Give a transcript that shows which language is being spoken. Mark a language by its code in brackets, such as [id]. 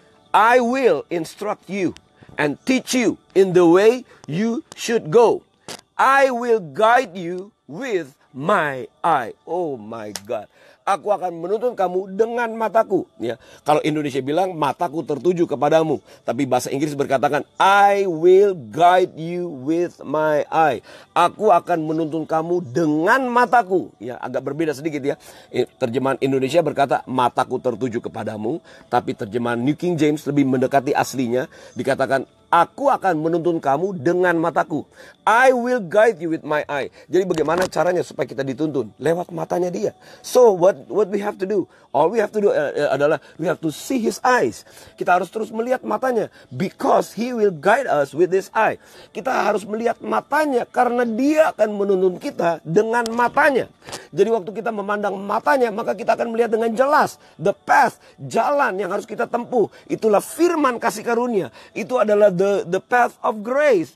[en] I will instruct you and teach you in the way you should go. I will guide you with my eye. Oh my God. [id] Aku akan menuntun kamu dengan mataku. Ya. Kalau Indonesia bilang, mataku tertuju kepadamu. Tapi bahasa Inggris berkatakan, [en] I will guide you with my eye. [id] Aku akan menuntun kamu dengan mataku. Ya, agak berbeda sedikit ya. Terjemahan Indonesia berkata, mataku tertuju kepadamu. Tapi terjemahan New King James lebih mendekati aslinya. Dikatakan, aku akan menuntun kamu dengan mataku. [en] I will guide you with my eye. [id] Jadi bagaimana caranya supaya kita dituntun? Lewat matanya dia. [en] So what we have to do? All we have to do adalah we have to see his eyes. [id] Kita harus terus melihat matanya. [en] Because he will guide us with his eye. [id] Kita harus melihat matanya karena dia akan menuntun kita dengan matanya. Jadi waktu kita memandang matanya, maka kita akan melihat dengan jelas the path, jalan yang harus kita tempuh. Itulah firman kasih karunia. Itu adalah [en] the path of grace.